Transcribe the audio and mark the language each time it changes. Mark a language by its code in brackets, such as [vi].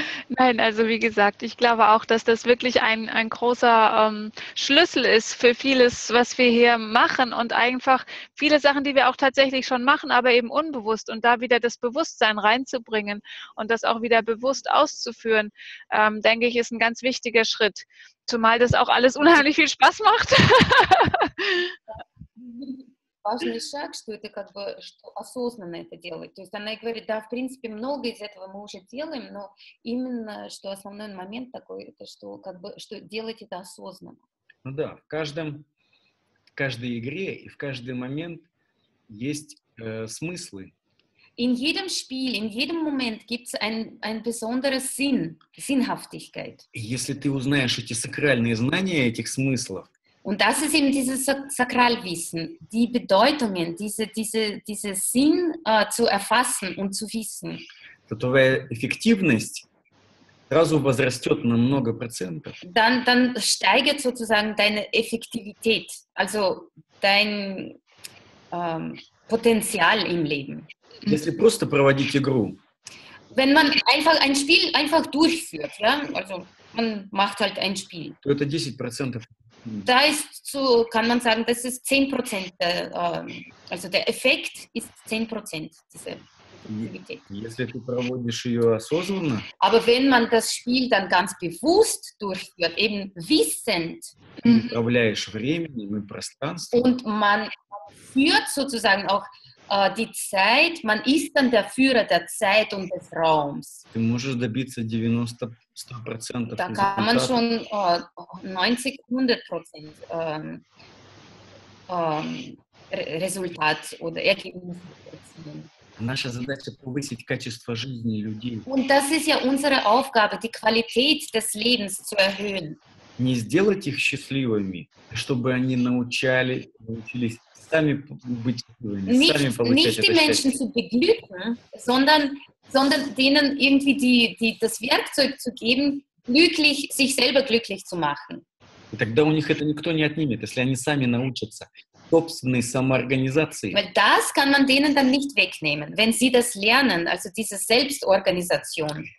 [de] Nein, also wie gesagt, ich glaube auch, dass das wirklich ein großer Schlüssel ist für vieles, was wir hier machen und einfach viele Sachen, die wir auch tatsächlich schon machen, aber eben unbewusst und da wieder das Bewusstsein reinzubringen und das auch wieder bewusst auszuführen, denke ich, ist ein ganz wichtiger Schritt, zumal das auch alles unheimlich viel Spaß macht. [ru] Важный шаг, что это как бы что осознанно это делать. То есть она говорит, да, в принципе, много из этого мы уже делаем, но именно что основной момент такой, это что как бы что делать это осознанно. Ну да, в каждой игре и в каждый момент есть смыслы. [de] In jedem Spiel, in jedem Moment gibt es ein besonderes Sinn, Sinnhaftigkeit. [ru] Если ты узнаешь эти сакральные знания этих смыслов. [de] Und das ist eben dieses Sakralwissen, die Bedeutungen, diese Sinn zu erfassen und zu wissen. [ru] Твоя эффективность сразу возрастет на много процентов. [de] Dann steigert sozusagen deine Effektivität, also dein Potenzial im Leben. [ru] Если просто проводить игру. [de] Wenn man einfach ein Spiel einfach durchführt, ja, also man macht halt ein Spiel. [ru] То это 10%. [de] Da ist so, kann man sagen, das ist 10%, also der Effekt ist 10% dieser Effektivität. Aber wenn man das Spiel dann ganz bewusst durchführt, eben wissend, und man führt sozusagen auch die Zeit, man ist dann der Führer der Zeit und des Raums. Du kannst 90% da kann man schon 90-100% Resultat oder Ergebnis erzielen. Und das ist ja unsere Aufgabe, die Qualität des Lebens zu erhöhen. [ru] Не сделать их счастливыми, чтобы они научились сами быть счастливыми, [de] nicht, [ru] сами получать [de] nicht это die Menschen zu beglücken, sondern denen irgendwie das Werkzeug zu geben, glücklich, sich selber glücklich zu machen. [ru] И тогда у них это никто не отнимет, если они сами научатся собственной самоорганизации. [de] Weil das kann man denen dann nicht wegnehmen, wenn sie das lernen, also diese Selbstorganisation.